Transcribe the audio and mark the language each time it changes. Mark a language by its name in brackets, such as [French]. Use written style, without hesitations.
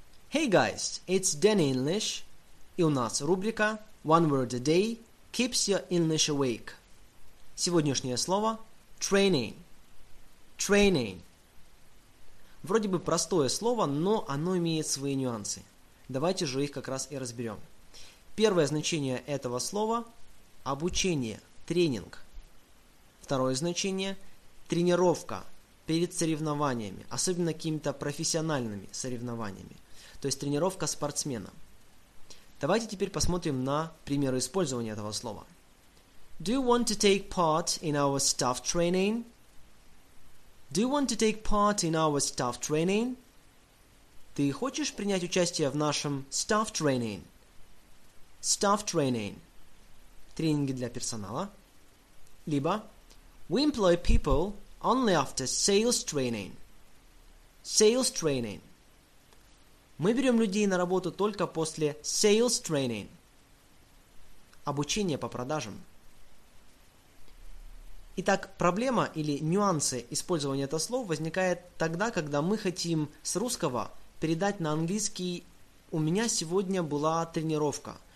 [English] Hey guys, it's Danny English, [Russian] и у нас рубрика [English] One Word a Day Keeps Your English Awake. [Russian] Сегодняшнее слово – training. [English] Training. [Russian] Вроде бы простое слово, но оно имеет свои нюансы. Давайте же их как раз и разберем. Первое значение этого слова – обучение, тренинг. Второе значение – тренировка перед соревнованиями, особенно какими-то профессиональными соревнованиями. То есть тренировка спортсмена. Давайте теперь посмотрим на примеры использования этого слова. [English] Do you want to take part in our staff training? Do you want to take part in our staff training? [Russian] Ты хочешь принять участие в нашем [English] staff training? Staff training. [Russian] Тренинги для персонала. Либо [English] We employ people only after sales training. Sales training. [Russian] Мы берем людей на работу только после [English] sales training. [Russian] Обучение по продажам. Итак, проблема или нюансы использования этого слова возникает тогда, когда мы хотим с русского передать на английский «У меня сегодня была тренировка».